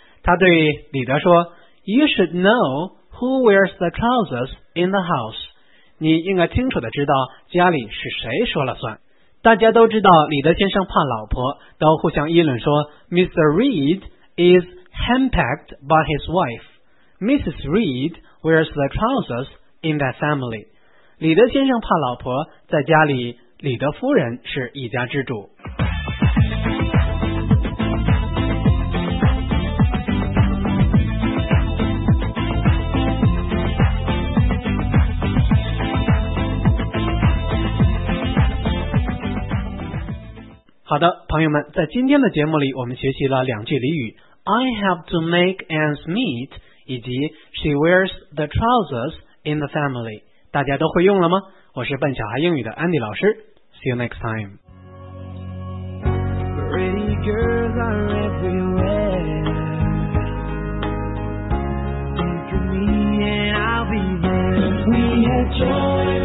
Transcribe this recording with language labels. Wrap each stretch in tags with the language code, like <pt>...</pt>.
<zh>她对李德说，</zh> <en>You should know who wears the trousers in the house.</en> <zh>你应该清楚地知道家里是谁说了算。大家都知道李德先生怕老婆，都互相议论说，</zh> <en>Mr. Reed is handpacked by his wife. Mrs. Reed wears the trousers in that family.</en> <zh>李德先生怕老婆，在家里李德夫人是一家之主。好的，朋友们，在今天的节目里我们学习了两句俚语，</zh> <en>I have to make ends meet</en> <zh>以及</zh> <en>She wears the trousers in the family，</en> <zh>大家都会用了吗？我是笨小孩英语的</zh> <en>Andy</en> <zh>老师，</zh> <en>See you next time. Pretty girls are everywhere. Think of me and I'll be there. We had joy.</en>